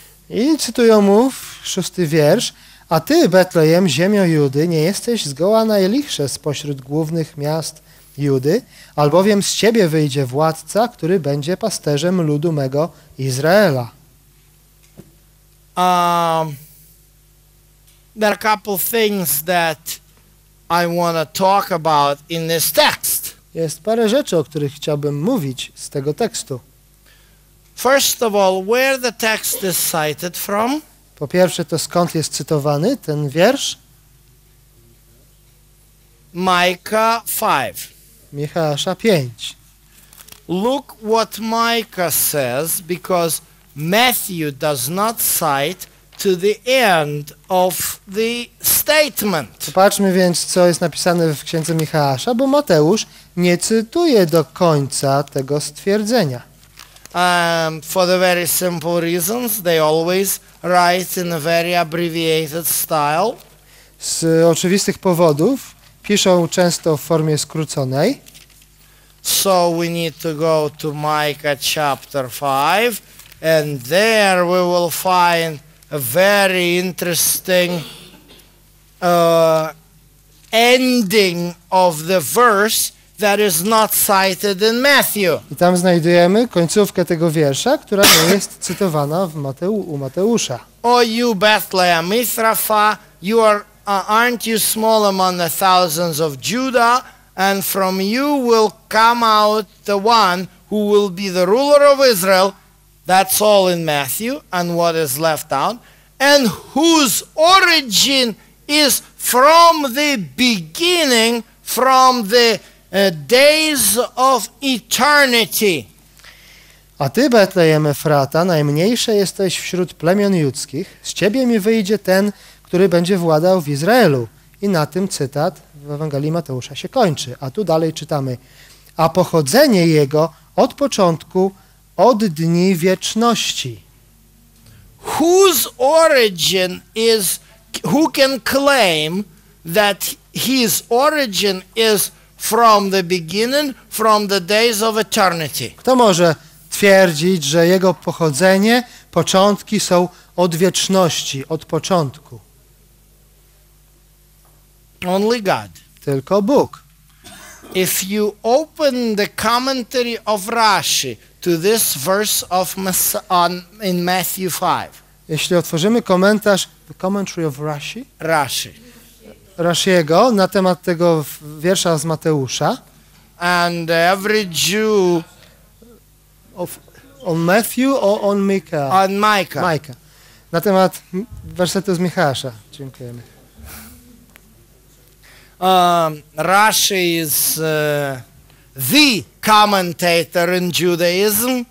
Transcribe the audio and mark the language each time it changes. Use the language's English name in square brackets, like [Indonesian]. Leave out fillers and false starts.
[Polish] I cytują mu w szósty wiersz, a ty, Betlejem, ziemio Judy, nie jesteś zgoła najlichsze spośród głównych miast Judy, albowiem z ciebie wyjdzie władca, który będzie pasterzem ludu mego Izraela. [English] There are a couple things that I want to talk about in this text. [Polish] Jest parę rzeczy, o których chciałbym mówić z tego tekstu. [English] First of all, where the text is cited from? [Polish] Po pierwsze, to skąd jest cytowany ten wiersz? [English] Micah 5. [Polish] Micheasza 5. [English] Look what Micah says, because Matthew does not cite to the end of the statement. [Polish] Popatrzmy więc, co jest napisane w księdze Micheasza, bo Mateusz nie cytuje do końca tego stwierdzenia. [English] For the very simple reasons, they always write in a very abbreviated style. [Polish] Z oczywistych powodów piszą często w formie skróconej. [English] So we need to go to Micah chapter 5, and there we will find a very interesting ending of the verse that is not cited in Matthew. [Polish] I tam znajdujemy końcówkę tego wiersza, która nie jest cytowana w Mateusza. [English] O you Bethlehem Ephrathah, you are aren't you small among the thousands of Judah, and from you will come out the one who will be the ruler of Israel. That's all in Matthew, and what is left out, and whose origin is from the beginning, from the days of eternity. [Polish] A ty, Betlejem Efrata, najmniejsze jesteś wśród plemion judzkich. Z ciebie mi wyjdzie ten, który będzie władał w Izraelu. I na tym cytat w Ewangelii Mateusza się kończy. A tu dalej czytamy. A pochodzenie jego od początku, od dni wieczności. [English] Whose origin is, who can claim that his origin is from the beginning, from the days of eternity? [Polish] Kto może twierdzić, że jego pochodzenie, początki są od wieczności, od początku? [English] Only God. [Polish] Tylko Bóg. [English] If you open the commentary of Rashi to this verse of in Matthew 5. [Polish] Jeśli otworzymy komentarz, [English] the commentary of Rashi? Rashi. [Polish] Rashiego na temat tego wiersza z Mateusza. [English] And every Jew of on Matthew or on Micah? On Micah. [Polish] Micah. Na temat wersetu z Micheasza. Dziękujemy. [English] Rashi is the commentator in Judaism.